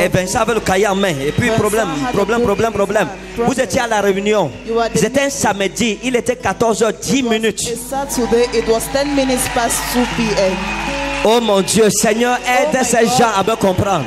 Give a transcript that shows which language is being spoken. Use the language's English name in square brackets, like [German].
[French] et Vincent avait le cahier en main. Et puis, problème. Vous étiez à la réunion. C'était un samedi. Il était 14h10. [English] Saturday, it was 10 minutes past 2 p.m. [French] Oh mon Dieu, Seigneur, aide oh ces gens à me comprendre.